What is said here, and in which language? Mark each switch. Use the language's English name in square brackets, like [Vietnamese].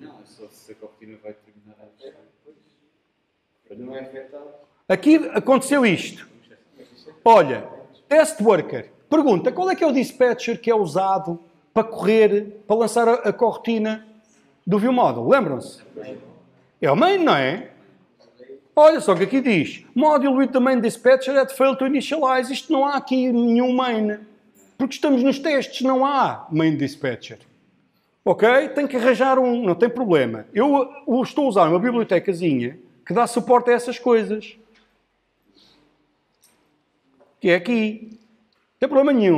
[Portuguese] Não, é só se a corretina vai terminar depois. Não é afetado. Aqui aconteceu isto. Olha, test worker, pergunta, qual é que é o dispatcher que é usado para correr, para lançar a corretina do ViewModel? Lembram-se? É o main, não é? Olha só o que aqui diz. [English] Module with the main dispatcher had failed to initialize. [Portuguese] Isto não há aqui nenhum main. Porque estamos nos testes, não há main dispatcher. Ok? Tem que arranjar um, não tem problema. Eu estou a usar uma bibliotecazinha que dá suporte a essas coisas. Que é aqui. Não tem problema nenhum.